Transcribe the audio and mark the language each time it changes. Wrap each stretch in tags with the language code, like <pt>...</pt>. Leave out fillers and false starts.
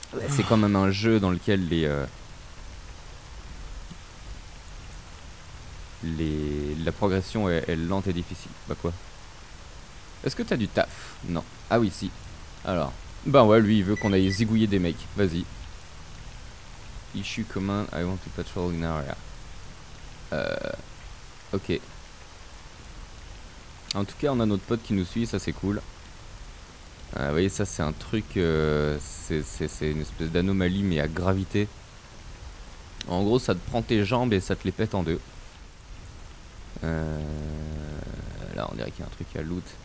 <fr>C'est quand même un jeu dans lequel la progression est lente et difficile. Bah quoi. Est-ce que t'as du taf? Non. Ah oui si. Alors. Ben ouais lui il veut qu'on aille zigouiller des mecs. Vas-y.</fr> <en>Issue command, I want to patrol in area. Ok.</en> <fr>En tout cas, on a notre pote qui nous suit, ça c'est cool. Vous voyez, ça c'est un truc. C'est une espèce d'anomalie, mais à gravité. En gros, ça te prend tes jambes et ça te les pète en deux. Là, on dirait qu'il y a un truc à loot.</fr>